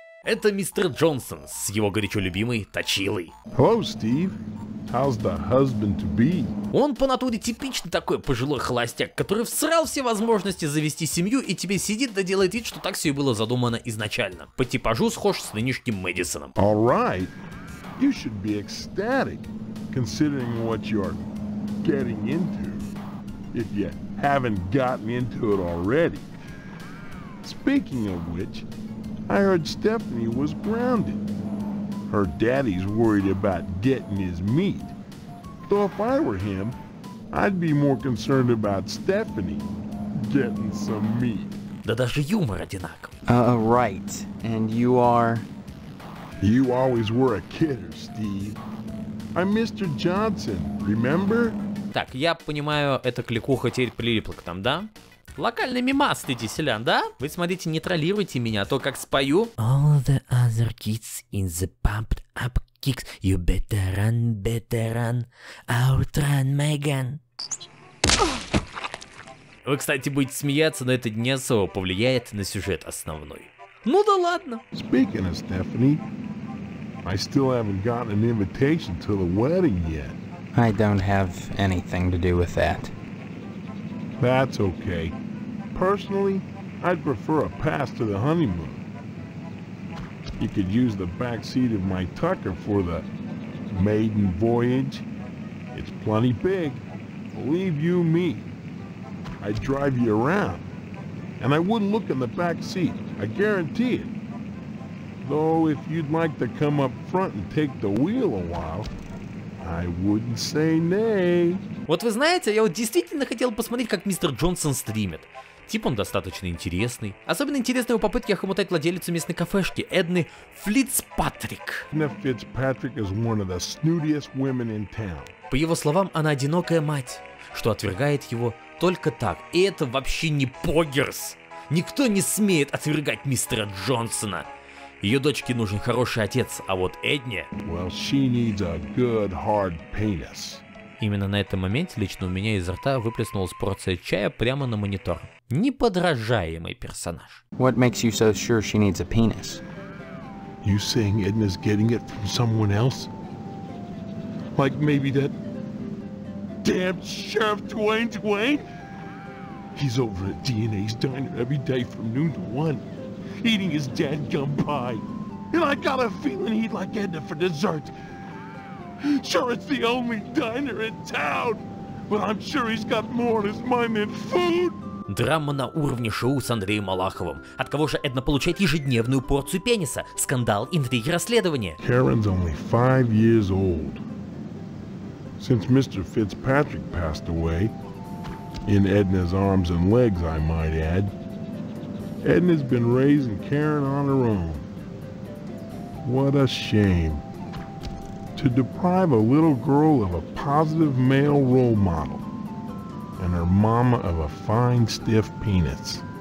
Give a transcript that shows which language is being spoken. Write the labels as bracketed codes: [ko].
[ru] Это мистер Джонсон с его горячо любимой Точилой. [en] Hello, Steve. How's the husband-to-be? [ru] Он по натуре типичный такой пожилой холостяк, который всрал все возможности завести семью и тебе сидит да делает вид, что так все и было задумано изначально. По типажу схож с нынешним Мэдисоном. [en] All right. You should be ecstatic, considering what you're getting into, if you haven't gotten into it already. Speaking of which, I heard Stephanie was grounded. Her daddy's worried about getting his meat. So if I were him, I'd be more concerned about Stephanie getting some meat. [ru] Да даже юмор одинаков. [en] Right. And you are? You always were a kidder, Steve. I'm Mr. Johnson, remember? [ru] Так, я понимаю, эта кликуха теперь прилипла к нам, да? Локальный мимас, ты диселян, да? Вы смотрите, не троллируйте меня, а то как спою. [en] All the other kids in the pumped up kicks. You better run, better run. Outrun, Megan. [ru] Вы, кстати, будете смеяться, но это не особо повлияет на сюжет основной. Ну да ладно. [en] Speaking of Stephanie, I still haven't gotten an invitation to the wedding yet. I don't have anything to do with that. That's okay. Personally, I'd prefer a pass to the honeymoon. You could use the back seat of my Tucker for the maiden voyage. It's plenty big. Believe you me, I'd drive you around. And I wouldn't look in the back seat. I guarantee it. Though if you'd like to come up front and take the wheel a while, I wouldn't say nay. [ru] Вот вы знаете, я вот действительно хотел посмотреть, как мистер Джонсон стримит. Тип он достаточно интересный. Особенно интересны его попытки охомутать владелицу местной кафешки, Эдны Фицпатрик. [en] Эдна Фицпатрик is one of the snootiest women in town. [ru] По его словам, она одинокая мать, что отвергает его только так. И это вообще не поггерс. Никто не смеет отвергать мистера Джонсона. Ее дочке нужен хороший отец, а вот Эдне... [en] Well, she needs a good hard penis. [ru] Именно на этом моменте лично у меня изо рта выплеснулась порция чая прямо на монитор. Неподражаемый персонаж. [en] What makes you so sure she needs a penis? You saying Edna's getting it from someone else? Like maybe that damn Sheriff Dwayne Dwayne? He's over at DNA's diner every day from noon to one, eating his dadgum pie. And I got a feeling he'd like Edna for dessert. Sure, it's the only diner in town, but I'm sure he's got more on his mind than food. [ru] Драма на уровне шоу с Андреем Малаховым. От кого же Эдна получает ежедневную порцию пениса? Скандал, интриги, расследование. [en] Karen's only 5 years old. Since Mr. Fitzpatrick passed away, in Edna's arms and legs, I might add, Edna's been raising Karen on her own. What a shame. To deprive a little girl of a positive male role model and her mama of a fine stiff penis.